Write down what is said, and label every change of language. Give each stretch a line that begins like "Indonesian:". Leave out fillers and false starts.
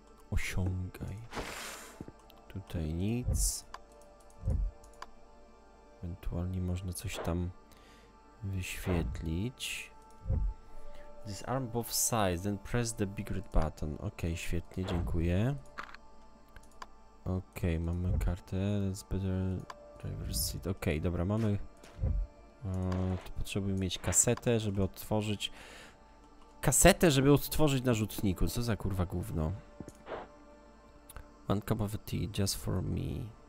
Polish: Osiągaj. Tutaj nic. Ewentualnie można coś tam wyświetlić.
English: Disarm both sides, then press the big red button.
Polish: Okej, świetnie, dziękuję. Okej, mamy kartę.
English: That's better driver's seat.
Polish: Okej, dobra, mamy... to potrzebujemy mieć kasetę, żeby odtworzyć... Kasetę, żeby odtworzyć na rzutniku. Co za kurwa gówno.
English: One cup of tea, just for me.